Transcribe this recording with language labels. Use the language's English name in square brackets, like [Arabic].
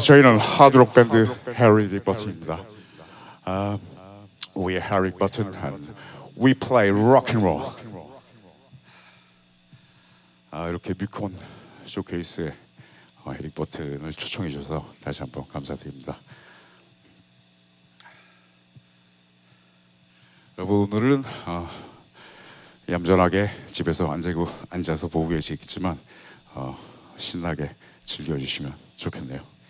[Korean] 저희는 하드록 밴드 해리빅버튼입니다. [English] We are HarryBigButton and we play rock and roll. [Korean] 이렇게 뮤콘 쇼케이스에 해리빅버튼을 초청해 주셔서 다시 한번 감사드립니다. 여러분, 오늘은 얌전하게 집에서 앉아서 보고 계시겠지만 신나게 즐겨주시면 좋겠네요.